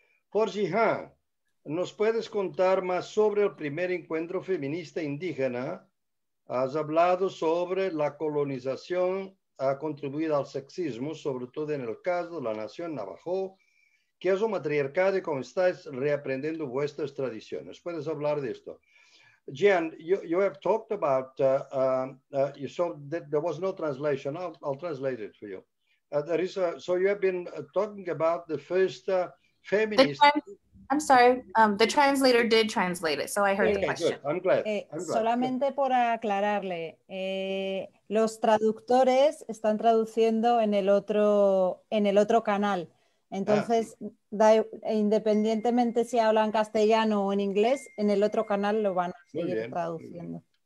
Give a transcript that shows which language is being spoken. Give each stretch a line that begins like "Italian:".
Spanish: Por Jihan, ¿nos puedes contar más sobre el primer encuentro feminista indígena? Has hablado sobre la colonización, ha contribuido al sexismo, sobre todo en el caso de la nación Navajo, que es un matriarcado y cómo estáis reaprendiendo vuestras tradiciones. ¿Puedes hablar de esto?
English: Jihan, you have talked about, you saw that there was no translation. I'll translate it for you. So you have been talking about the first feminist. I'm sorry, the translator did translate it, so I heard the question. Good. I'm glad. I'm glad.
Spanish: Solamente por aclararle, los traductores están traduciendo en el otro canal. Entonces, independientemente si hablan castellano o en inglés, en el otro canal lo van a seguir traduciendo.